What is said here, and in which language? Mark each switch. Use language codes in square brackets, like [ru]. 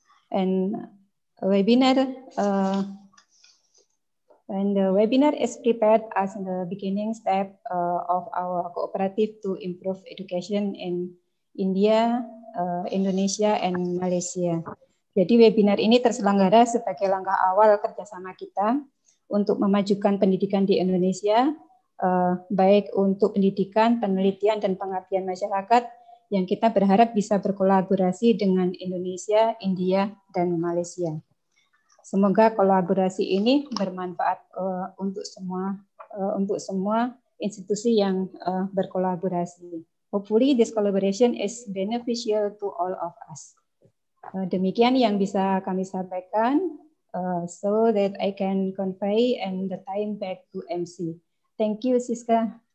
[en] And the webinar is prepared as the beginning step of our cooperative to improve education in India, Indonesia, and Malaysia. [id] Jadi webinar ini terselenggara sebagai langkah awal kerjasama kita untuk memajukan pendidikan di Indonesia, baik untuk pendidikan, penelitian, dan pengabdian masyarakat yang kita berharap bisa berkolaborasi dengan Indonesia, India, dan Malaysia. Semoga kolaborasi ini bermanfaat untuk semua institusi yang berkolaborasi. [en] Hopefully this collaboration is beneficial to all of us. [id] Demikian yang bisa kami sampaikan, [en] so that I can convey and the time back to MC. Thank you, Siska.